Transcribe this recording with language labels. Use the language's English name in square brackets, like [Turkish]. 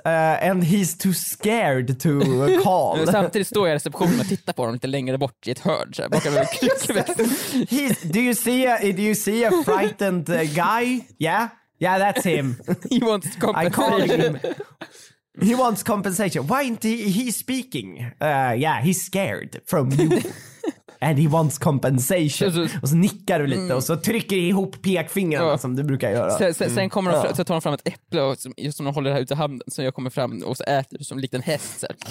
[English] And he's too scared to call. [Swedish] Samtidigt står jag i receptionen och tittar på dem lite längre bort i ett hörn. Så här, [English] yes, do you see a frightened guy? Yeah? Yeah, that's him. He wants compensation. I call him. He wants compensation. Why isn't he speaking? Yeah, he's scared from you. And he wants compensation. [Swedish] Och så nickar du lite och så trycker ihop pekfingrarna som du brukar göra. Sen kommer de så tar de fram ett äpple och just som de håller det här ute i handen, så jag kommer fram och så äter som en liten häst så.